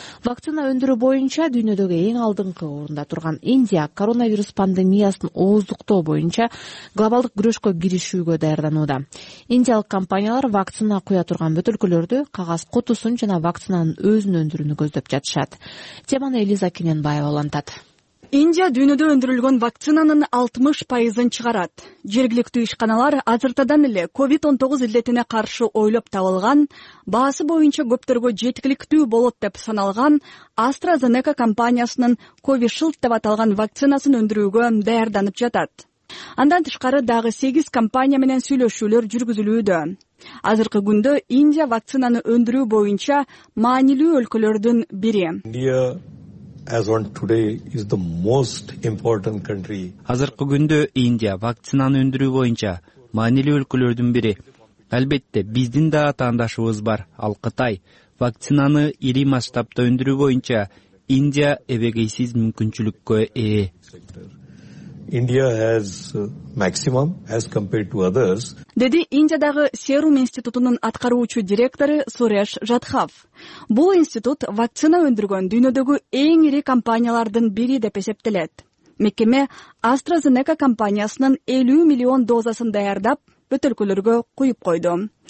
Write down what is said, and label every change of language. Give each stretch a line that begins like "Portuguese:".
Kyrgyz: Вакцина өндүрүү боюнча дүйнөдөгү эң алдыңкы орунда турган Индия коронавирус пандемиясын ооздуктоо боюнча глобалдык күрөшкө киришүүгө даярданууда. Индиялык компаниялар вакцина куя турган бөтөлкөлөрдү, кагаз кутусун жана вакцинанын өзүн өндүрүүнү көздөп жатышат. Теманы Элиза Кененбаева улантат. Индия дүйнөдө өндүрүлгөн вакцинанын 60% чыгарат. Жергиликтүү ишканалар азыртадан эле COVID-19 илдетине каршы ойлоп табылган, баасы боюнча көптөргө жеткиликтүү болот деп саналган AstraZeneca компаниясынын COVIShield деп аталган вакцинасын өндүрүүгө даярданып жатат. Андан тышкары дагы 8 компания менен сүйлөшүүлөр жүргүзүлүүдө. Азыркы күндө Индия вакцинаны өндүрүү боюнча маанилүү өлкөлөрдүн бири.
English: As on today is the most important country.
Kyrgyz: Азыркы күндө Индия вакцинаны өндүрүү боюнча маанилүү өлкөлөрдүн бири. Албетте, биздин да атаандашыбыз бар, ал Кытай. Вакцинаны ири масштабта өндүрүү боюнча Индия эбегейсиз мүмкүнчүлүккө ээ.
English: India has maximum as compared to others.
Kyrgyz: Деди Индиядагы Serum институтунун аткаруучу директору Суреш Жатхав. Бул институт вакцина өндүргөн дүйнөдөгү эң ири компаниялардын бири деп эсептелет. Мекеме AstraZeneca компаниясынын 50 миллион дозасын даярдап, бөтөлкөлөргө куюп койду.